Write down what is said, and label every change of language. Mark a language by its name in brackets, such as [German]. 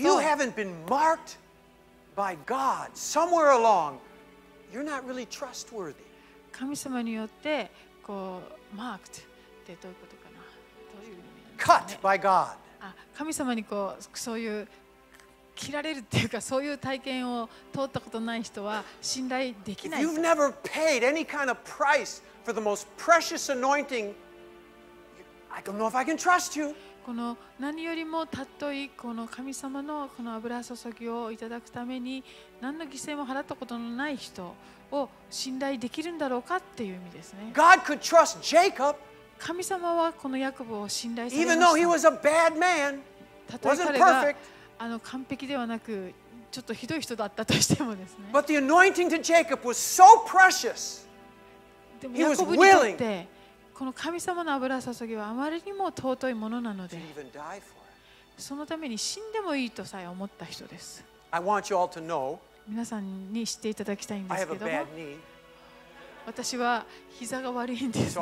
[English] If you haven't been marked by God somewhere along, you're not really trustworthy. [Japanese] 神様によってこう [English] marked [Japanese] ってどういうことかな。どういう意味ですかね。 [English] Cut by God. [Japanese] 神様にこうそういう切られるっていうか、そういう体験を通ったことない人は信頼できない。 [English] You've never paid any kind of price for the most precious anointing. I don't know if I can trust you. [Japanese] この何よりもたっといこの神様のこの油注ぎをいただくために何の犠牲も払ったことのない人を信頼できるんだろうかっていう意味ですね。 [English] God could trust Jacob. [Japanese] 神様はこのヤコブを信頼されました。 [English] Even though he was a bad man, wasn't perfect. [Japanese] 完璧ではなくちょっとひどい人だったとしてもですね。 [English] But the anointing to Jacob was so precious. [Japanese] でもヤコブにとってこの神様の油注ぎはあまりにも尊いものなので、そのために死んでもいいとさえ思った人です。 [English] I want you all to know, [Japanese] 皆さんに知っていただきたいんですけども、 [English] I have a bad knee. [Japanese] 私は膝が悪いんです、ね、